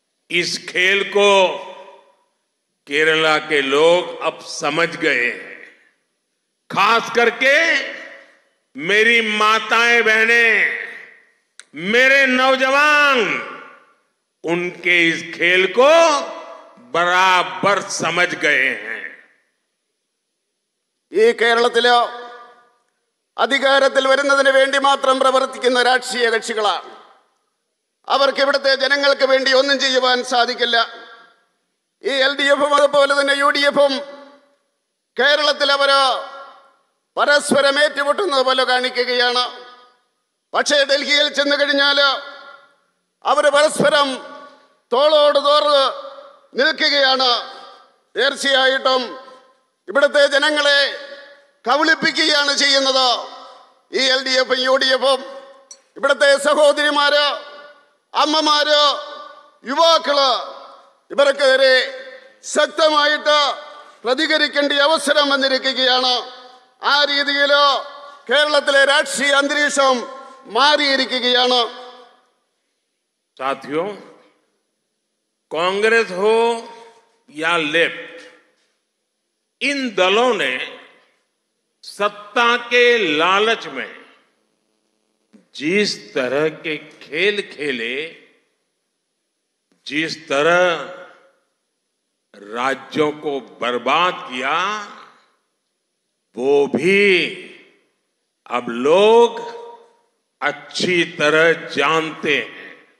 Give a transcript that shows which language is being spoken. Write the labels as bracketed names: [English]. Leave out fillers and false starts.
[Hindi] इस खेल को केरला के लोग अब समझ गए हैं। खास करके मेरी माताएं बहनें, मेरे नौजवान, उनके इस खेल को बराबर समझ गए हैं। ये [Malayalam] केरल അധികാരത്തിൽ വരുന്നതിന് വേണ്ടി മാത്രം പ്രവർത്തിക്കുന്ന രാഷ്ട്രീയ കക്ഷികളാണ്. അവർക്ക് ഇവിടുത്തെ ജനങ്ങൾക്ക് വേണ്ടി ഒന്നും ചെയ്യുവാൻ സാധിക്കില്ല. ഈ എൽ ഡി എഫും അതുപോലെ തന്നെ യു ഡി എഫും കേരളത്തിൽ അവർ പരസ്പരം ഏറ്റുമുട്ടുന്നത് പോലെ കാണിക്കുകയാണ്. പക്ഷേ ഡൽഹിയിൽ ചെന്നു കഴിഞ്ഞാൽ അവർ പരസ്പരം തോളോട് തോറ് നിൽക്കുകയാണ്. തീർച്ചയായിട്ടും ഇവിടുത്തെ ജനങ്ങളെ കബളിപ്പിക്കുകയാണ് ചെയ്യുന്നത് ഈ എൽ ഡി എഫും യു ഡി എഫും. ഇവിടുത്തെ സഹോദരിമാര്, അമ്മമാര്, യുവാക്കള് ഇവർക്കെതിരെ ശക്തമായിട്ട് പ്രതികരിക്കേണ്ട അവസരം വന്നിരിക്കുകയാണ്. ആ രീതിയിൽ കേരളത്തിലെ രാഷ്ട്രീയ അന്തരീക്ഷം മാറിയിരിക്കുകയാണ്. [Hindi] സാധ്യോ കോൺഗ്രസ് ഹോ യാ ലെഫ്റ്റ്, ഇൻ ദലോ നേ सत्ता के लालच में जिस तरह के खेल खेले, जिस तरह राज्यों को बर्बाद किया, वो भी अब लोग अच्छी तरह जानते हैं।